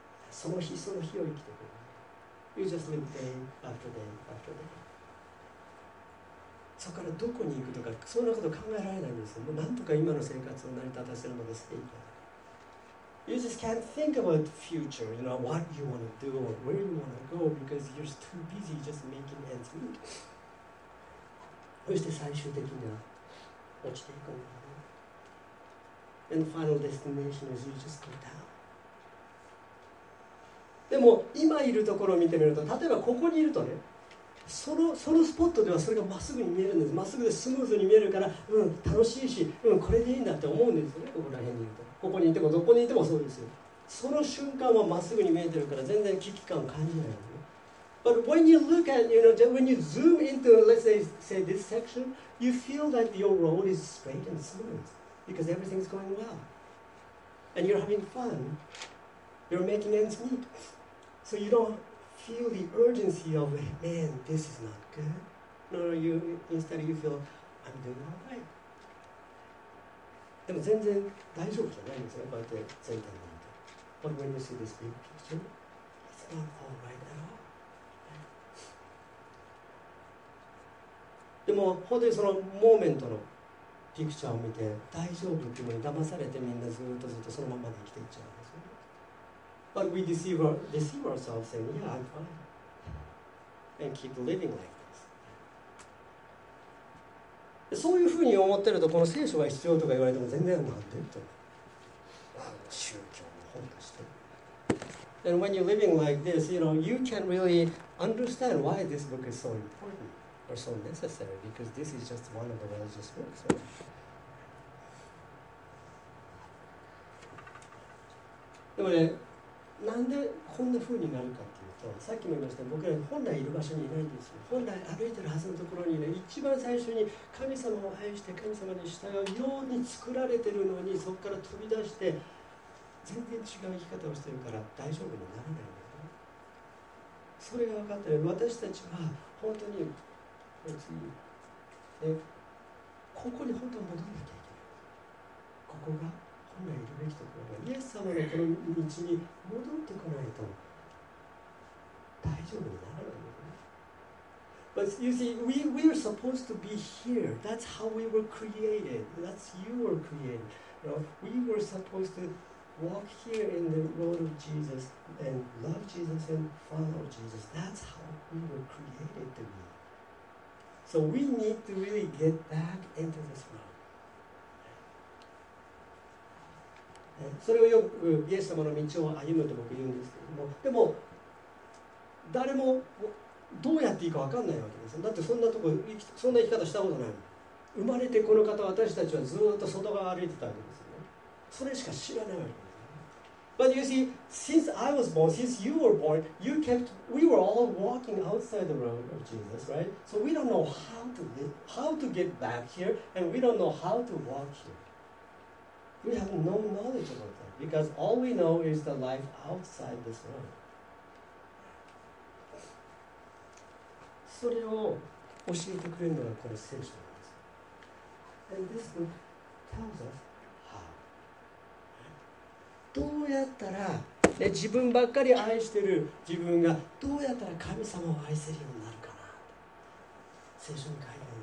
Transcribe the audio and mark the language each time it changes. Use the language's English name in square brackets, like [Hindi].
[Japanese] その日その日を生きてくる。 [English] You just live day after day after day。 [Japanese] そこからどこに行くとか、そんなこと考えられないんですよ。もうなんとか今の生活を成り立たせるまで精一杯。 [English] You just can't think about the future, you know, what you want to do or where you want to go because you're too busy just making ends meet. [Japanese] そして最終的には落ちていくんだよね。 [English] And the final destination is you just go down. [Japanese] でも今いるところを見てみると、例えばここにいるとね、そのスポットではそれがまっすぐに見えるんです。まっすぐでスムーズに見えるから、うん、楽しいし、うん、これでいいんだって思うんですよね。ここら辺にいると、ここにいてもどこにいてもそうですよ。その瞬間はまっすぐに見えてるから全然危機感を感じないよね。 [English] But when you look at, you know, when you zoom into, let's say this section, you feel that your road is straight and smooth because everything's going well and you're having funYou're making ends meet. So you don't feel the urgency of, man, this is not good. No, you, instead you feel, I'm doing all right. [Japanese] でも全然大丈夫じゃないんですよ、こうやって全体になると。 [English] But when you see this big picture, it's not all right at all. [Japanese] でも本当にそのモーメントのピクチャーを見て、大丈夫っていうのに騙されて、みんなずっとずっとそのままで生きていっちゃう。 [English] But we deceive ourselves saying, yeah, I'm fine. And keep living like this. [Japanese] そういうふうに思ってると、この聖書が必要とか言われても全然なんでと。宗教の本だして。 [English] And when you're living like this, you know, you can't really understand why this book is so important or so necessary because this is just one of the religious books.、So. [Japanese] でもね、なんでこんな風になるかっていうと、さっきも言いました、僕ら本来いる場所にいないんですよ。本来歩いてるはずのところにね、一番最初に神様を愛して神様に従うように作られてるのに、そこから飛び出して全然違う生き方をしているから大丈夫にならないんだよね。それが分かったら私たちは本当に、ここに本当に戻らなきゃいけない。ここが本来いるべきところが、イエス様のこの道に戻ってこないと大丈夫にならないんだよね。 [English] But you see, we are supposed to be here. That's how we were created. That's you were created. You know, we were supposed to walk here in the road of Jesus and love Jesus and follow Jesus. That's how we were created to be. So we need to really get back into this world. [Japanese] それをよくイエス様の道を歩むと僕言うんですけれども、でも誰もどうやっていいか分かんないわけです。だってそんなとこ、そんな生き方したことない。生まれてこの方、私たちはずっと外側を歩いてたわけですよ、ね。それしか知らないわけです。 [English] But you see, since I was born, since you were born, you kept, we were all walking outside the road of Jesus, right? So we don't know how to get back here, and we don't know how to walk here. We have no knowledge about that, because all we know is the life outside this road. [Japanese] それを教えてくれるのがこの聖書なんです。 [English] And this book tells us, [Japanese] どうやったら、ね、自分ばっかり愛してる自分がどうやったら神様を愛せるようになるかなと聖書に書いてある。